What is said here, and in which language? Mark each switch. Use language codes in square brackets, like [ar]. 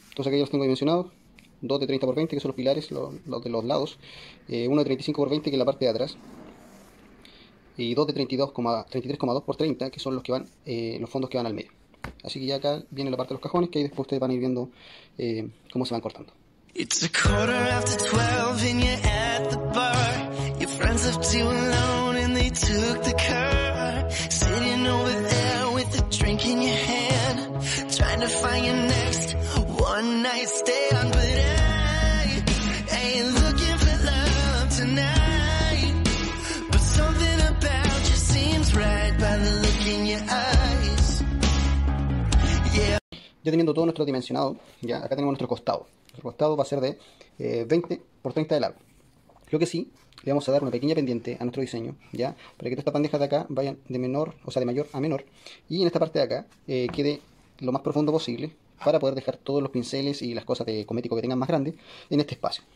[es] Entonces, aquí los tengo dimensionados: 2 de 30 por 20, que son los pilares, los de los lados. 1 de 35 por 20, que es la parte de atrás. Y 2 de 33,2 por 30, que son los que van, los fondos que van al medio. Así que ya acá viene la parte de los cajones, que ahí después ustedes van a ir viendo cómo se van cortando. [en] It's a quarter after 12 and you're at the bar. Your friends left you alone and they took the car. Sitting over there with a drink in your hand, trying to find your next one night stand. But I ain't looking for love tonight. But something about you seems right by the look in your eyes. Yeah. [es] Ya teniendo todo nuestro dimensionado, ya acá tenemos nuestro costado. El costado va a ser de 20 por 30 de largo. Lo que sí, le vamos a dar una pequeña pendiente a nuestro diseño, ya, para que todas estas bandejas de acá vayan de menor, o sea, de mayor a menor, y en esta parte de acá quede lo más profundo posible para poder dejar todos los pinceles y las cosas de cosmético que tengan más grande en este espacio.